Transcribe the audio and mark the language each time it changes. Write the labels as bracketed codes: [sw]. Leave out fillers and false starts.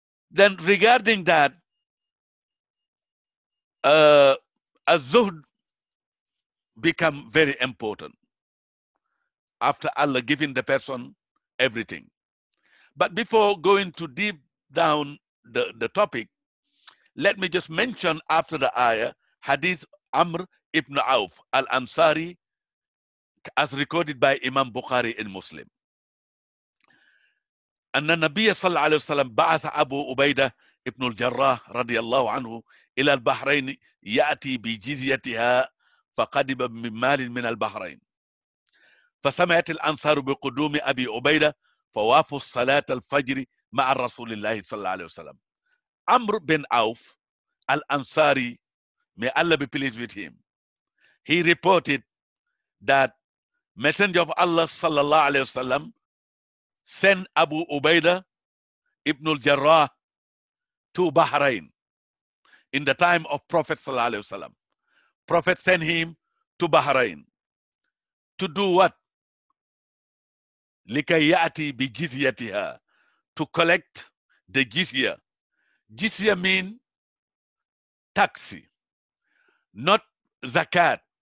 [en] Then regarding that, az-zuhd become very important after Allah giving the person everything. But before going to deep down the topic, let me just mention after the ayah, Hadith Amr ibn Auf al-Ansari, as recorded by Imam Bukhari in Muslim. [ar] أن النبي صلى الله عليه وسلم بعث أبو عبيدة ابن الجراح رضي الله عنه إلى البحرين يأتي بجزيتها فقدم بمال من البحرين فسمعت الأنصار بقدوم أبي عبيدة فوافوا الصلاة الفجر مع رسول الله صلى الله عليه وسلم عمرو بن عوف الأنصاري [en] may Allah be pleased with him he reported that messenger of Allah [ar] صلى الله عليه وسلم [en] send Abu Ubaidah ibn al-Jarrah to Bahrain in the time of Prophet sallallahu alaihi wasallam. Prophet sent him to Bahrain to do what? [ar] Likay yati bi jizyatiha, [en] to collect the jizya. Jizya mean tax, not zakat.